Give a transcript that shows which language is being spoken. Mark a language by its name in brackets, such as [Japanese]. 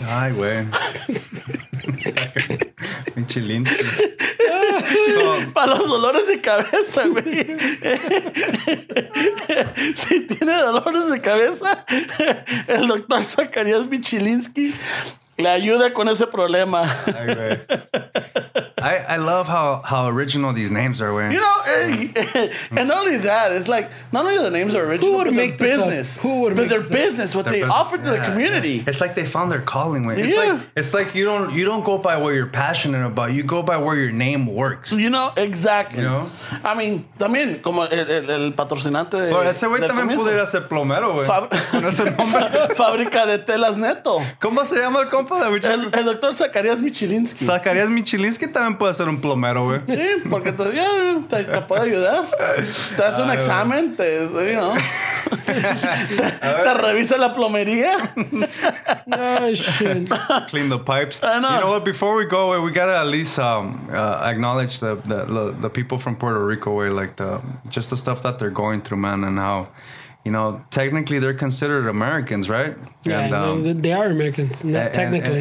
[Spanish] Ay, güey. Michilinsky. Para los dolores de cabeza, güey. Si tiene dolores de cabeza, el doctor Zacarías Michilinsky le ayuda con ese problema. [English] I love how original these names are, man. You know, and not only that, it's like, not only the names are original, Who would make their business, what they offer to the community. Yeah. It's like they found their calling, man. It's like you don't go by what you're passionate about. You go by where your name works. You know, exactly. You know? [Spanish] I mean, también, como el patrocinante de... Bueno, ese güey también pudiera ser plomero, güey. Con ese nombre. Fábrica de telas Neto. ¿Cómo se llama el compa de Michilinsky? El doctor Zacarías Michilinsky. Zacarías Michilinsky también puede ser un plomero, güey. Sí, porque todavía te puede ayudar. Te hace un examen, te revisa la plomería. [English] Oh, shit. Clean the pipes. I know. You know what? Before we go, we gotta at least acknowledge the people from Puerto Rico, where like just the stuff that they're going through, man, and how, you know, technically they're considered Americans, right? Yeah, and, they are Americans, technically.